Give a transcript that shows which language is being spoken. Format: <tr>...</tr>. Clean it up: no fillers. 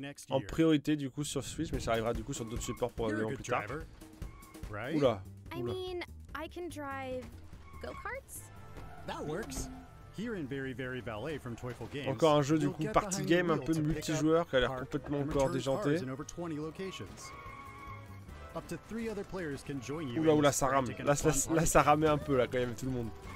<fr>En priorité du coup sur Switch, mais ça arrivera du coup sur d'autres supports pour plus tard.</fr> <en>Driver, right?</en> <fr>Oula.</fr> <en>I mean, I can drive go-karts? That works. Here in very very ballet from Toyful Games.</en> <fr>Encore un jeu du coup party game un peu multijoueur qui a l'air complètement encore déjanté.</fr> <en>Up to three other players can join you.</en> <fr>Oula, oula, ça rame. Là, ça ramait un peu, là, quand même, tout le monde.</fr>